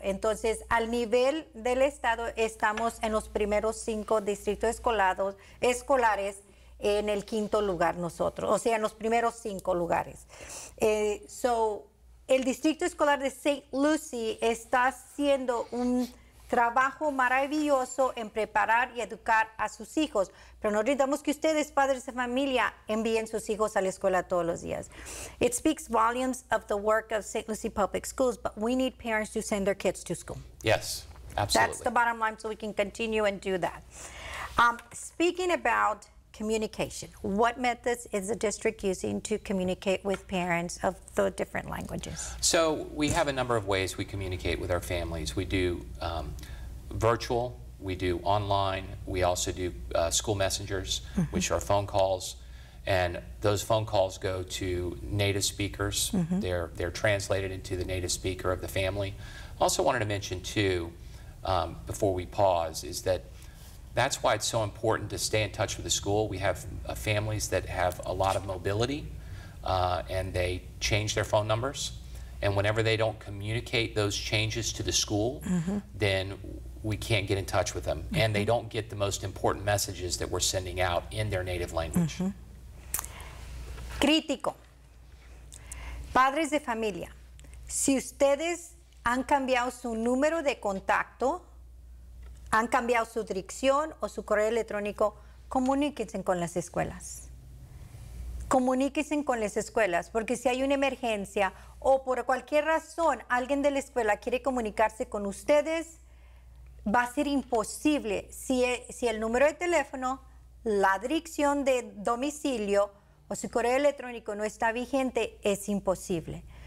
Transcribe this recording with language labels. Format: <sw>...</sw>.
<es>Entonces, al nivel del estado, estamos en los primeros 5 distritos escolares en el quinto lugar nosotros. O sea, en los primeros 5 lugares. El distrito escolar de St. Lucie está haciendo un trabajo maravilloso en preparar y educar a sus hijos. Pero no olvidamos que ustedes, padres de familia, envíen sus hijos a la escuela todos los días.</es> <en>It speaks volumes of the work of St. Lucie Public Schools, but we need parents to send their kids to school. Yes, absolutely. That's the bottom line, so we can continue and do that. Speaking about communication, what methods is the district using to communicate with parents of the different languages? So we have a number of ways we communicate with our families. We do virtual, we do online, we also do school messengers, mm-hmm. which are phone calls, and those phone calls go to native speakers. Mm-hmm. They're translated into the native speaker of the family. Also wanted to mention too, before we pause, is that that's why it's so important to stay in touch with the school. We have families that have a lot of mobility and they change their phone numbers. And whenever they don't communicate those changes to the school, mm-hmm. then we can't get in touch with them. Mm-hmm. And they don't get the most important messages that we're sending out in their native language.</en> <es>Mm-hmm. Crítico. Padres de familia, si ustedes han cambiado su número de contacto, han cambiado su dirección o su correo electrónico, comuníquense con las escuelas. Comuníquense con las escuelas, porque si hay una emergencia o por cualquier razón alguien de la escuela quiere comunicarse con ustedes, va a ser imposible si el número de teléfono, la dirección de domicilio o su correo electrónico no está vigente, es imposible.</es>